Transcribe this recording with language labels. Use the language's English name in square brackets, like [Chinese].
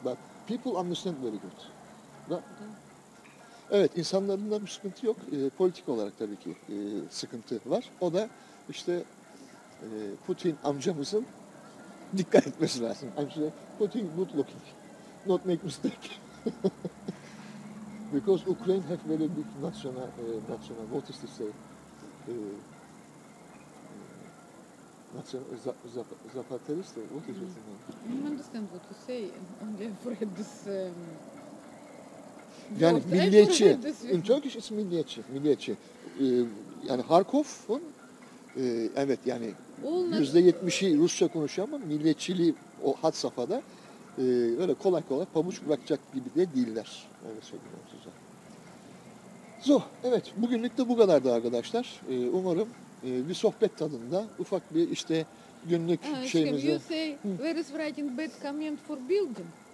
[English] But people understand very good. [Turkish] Ne? Evet, insanların da bir sıkıntı yok. Politik olarak tabii ki sıkıntı var. O da işte Putin amcamızın dikkat etmesi lazım. [English] Amca, Putin good looking. Not make mistake. Because Ukraine have very big national, what is to say? Zapatelist, what is it? I don't understand what to say. Only for this... Yani what? Milliyetçi. In Turkish is milliyetçi. Milliyetçi. [Turkish] Yani Harkov'un evet yani %70'i Rusça konuşuyor ama milliyetçiliği o had safhada öyle kolay kolay pamuç bırakacak gibi de değiller. Öyle söylüyorum size. So, evet. Bugünlük de bu kadardı arkadaşlar. Umarım bir sohbet tadında ufak bir işte günlük şeyimizi... [English] You say, where is writing bad comment for building?